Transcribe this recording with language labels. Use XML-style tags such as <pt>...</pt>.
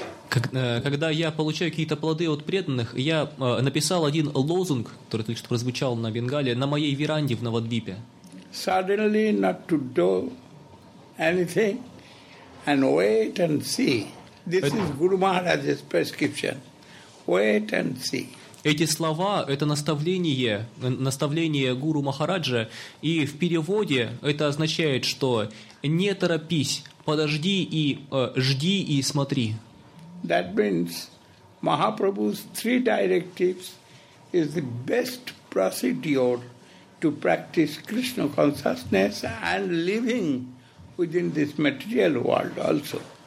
<ru>Когда я получаю какие-то плоды от преданных, я написал один лозунг, который только что прозвучал на Бенгале, на моей веранде в Навадвипе.</ru> <en>Suddenly not to do anything and wait and see. This is Guru Maharaj's prescription. Wait and see.</en> <ru>Эти слова – это наставление, наставление Гуру Махараджа, и в переводе это означает, что не торопись, подожди и жди и смотри.</ru> <en>That means Mahaprabhu's three directives is the best procedure to practice Krishna consciousness and living within this material world also.</en>